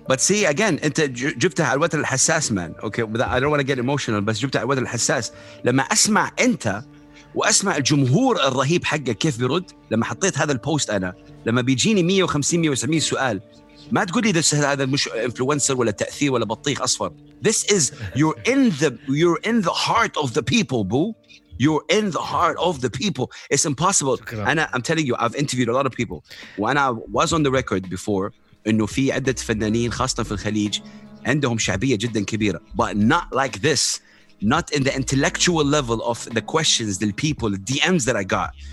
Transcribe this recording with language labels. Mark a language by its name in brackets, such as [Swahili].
[English] But see again, [Arabic] أنت جبتها على الوتر الحساس مان. [English] Okay, I don't want to get emotional, [Arabic] بس جبتها على الوتر الحساس. لما أسمع أنت وأسمع الجمهور الرهيب حقه كيف بيرد, لما حطيت هذا البوست أنا, لما بيجيني 150-170 سؤال, ما تقولي ده هذا مش influencer ولا تأثير ولا بطيخ أصفر. [English] This is you're in the heart of the people, boo. You're in the heart of the people. It's impossible. [Arabic] أنا [English] I'm telling you, I've interviewed a lot of people. [Arabic] وأنا [English] was on the record before [Arabic] إنه في عدة فنانين خاصة في الخليج عندهم شعبية جدا كبيرة, [English] but not like this. Not in the intellectual level of the questions, the people, the DMs that I got.